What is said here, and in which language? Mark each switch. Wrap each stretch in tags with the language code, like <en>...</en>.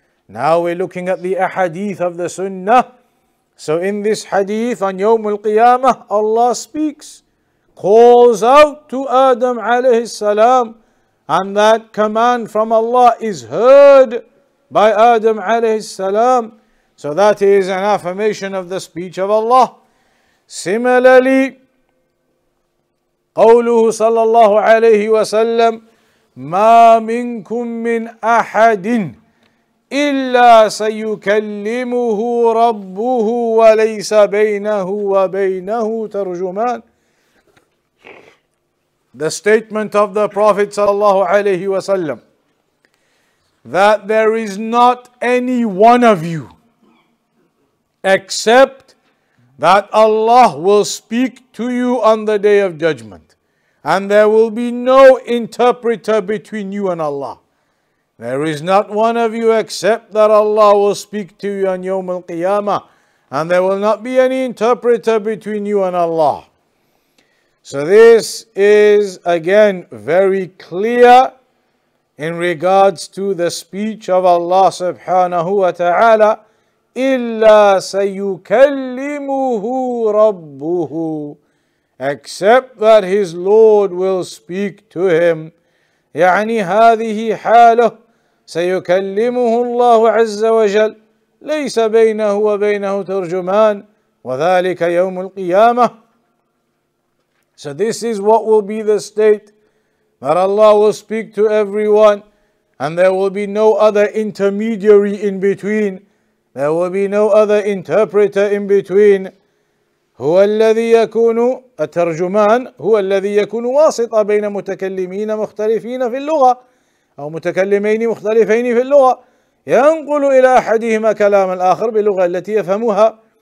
<en>Now we're looking at the ahadith of the sunnah. So in this hadith on Yawm al-Qiyamah, Allah speaks, calls out to Adam alayhi salam, and that command from Allah is heard by Adam alayhi salam. So that is an affirmation of the speech of Allah.</en> <ar>Similarly, قوله صلى الله عليه وسلم ما منكم من أحد إلا سيكلمه ربه وليس بينه وبينه ترجمان.</ar> <en>The statement of the Prophet صلى الله عليه وسلم, that there is not any one of you except that Allah will speak to you on the Day of Judgment, and there will be no interpreter between you and Allah. There is not one of you except that Allah will speak to you on Yawm al-Qiyamah, and there will not be any interpreter between you and Allah. So this is again very clear in regards to the speech of Allah subhanahu wa ta'ala, illa sayukallimuhu rabbuhu, except that his Lord will speak to him.</en> <ar>يعني هذه حاله سيكلمه الله عز وجل ليس بينه وبينه ترجمان وذلك يوم القيامة.</ar> <en>So this is what will be the state, that Allah will speak to everyone, and there will be no other intermediary in between. There will be no other interpreter in between.</en> <ar>هو الذي يكون الترجمان هو الذي يكون واسطة بين متكلمين مختلفين في اللغة أو متكلمين مختلفين في اللغة ينقل إلى أحدهما كلام الآخر باللغة التي يفهمها.</ar>